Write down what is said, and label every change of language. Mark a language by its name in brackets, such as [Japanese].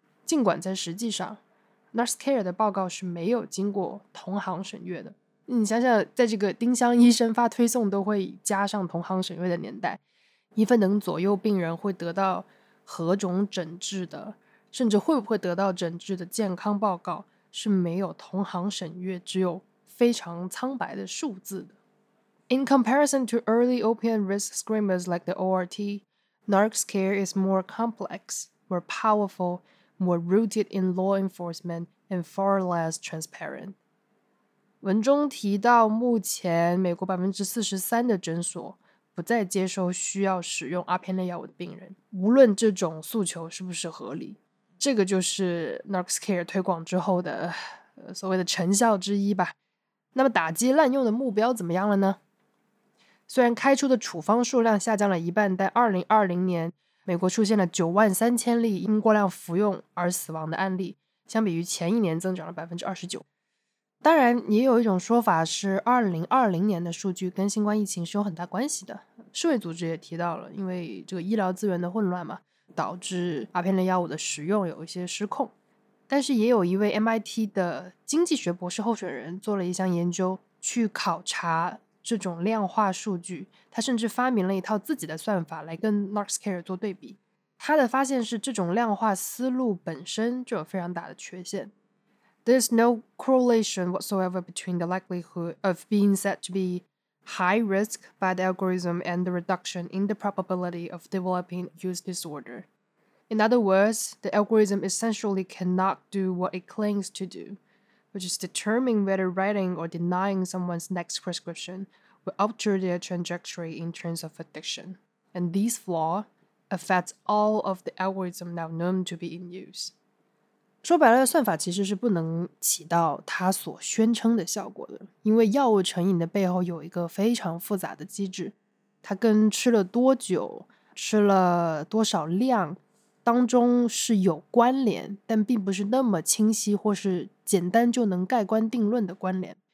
[Chinese] 尽管在实际上 Nurse Care 的报告是没有经过同行审阅的，你想想在这个丁香医生发推送都会加上同行审阅的年代，一份能左右病人会得到何种诊治的，甚至会不会得到诊治的健康报告是没有同行审阅，只有非常苍白的数字的。 [English] In comparison to early opiate risk screeners like the ORT, Nux Care is more complex, more powerful, more rooted in law enforcement, and far less transparent. [Chinese] 文中提到目前美国 43% 的诊所不再接受需要使用阿片类药物的病人，无论这种诉求是不是合理。这个就是 Nux Care 推广之后的所谓的成效之一吧。那么打击滥用的目标怎么样了呢？虽然开出的处方数量下降了一半，但2020年美国出现了93000例因过量服用而死亡的案例，相比于前一年增长了 29%。当然也有一种说法是2020年的数据跟新冠疫情是有很大关系的，世卫组织也提到了，因为这个医疗资源的混乱嘛，导致阿片类药物的使用有一些失控。但是也有一位 MIT 的经济学博士候选人做了一项研究去考察这种量化数据，他甚至发明了一套自己的算法来跟 Nux Care 做对比。他的发现是这种量化思路本身就有非常大的缺陷。 [English] There's no correlation whatsoever between the likelihood of being said to be high risk by the algorithm and the reduction in the probability of developing use disorder. In other words, the algorithm essentially cannot do what it claims to do, which is determine whether writing or denying someone's next prescription will alter their trajectory in terms of addiction. And this flaw affects all of the algorithms now known to be in use. [Chinese] 说白了，算法其实是不能起到它所宣称的效果的，因为药物成瘾的背后有一个非常复杂的机制，它跟吃了多久、吃了多少量当中是有关联，但并不是那么清晰或是简单就能盖棺定论的关联。